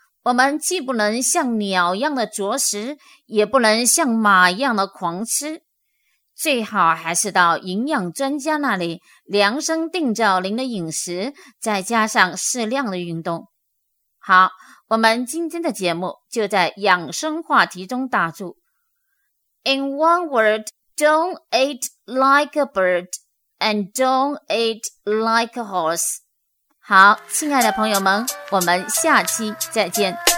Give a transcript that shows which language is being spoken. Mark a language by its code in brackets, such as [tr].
[zh] 我们既不能像鸟一样的啄食，也不能像马一样的狂吃，最好还是到营养专家那里量身定造您的饮食，再加上适量的运动。好，我们今天的节目就在养生话题中打住。 [en] In one word, don't eat like a bird and don't eat like a horse. [zh] 好，亲爱的朋友们，我们下期再见。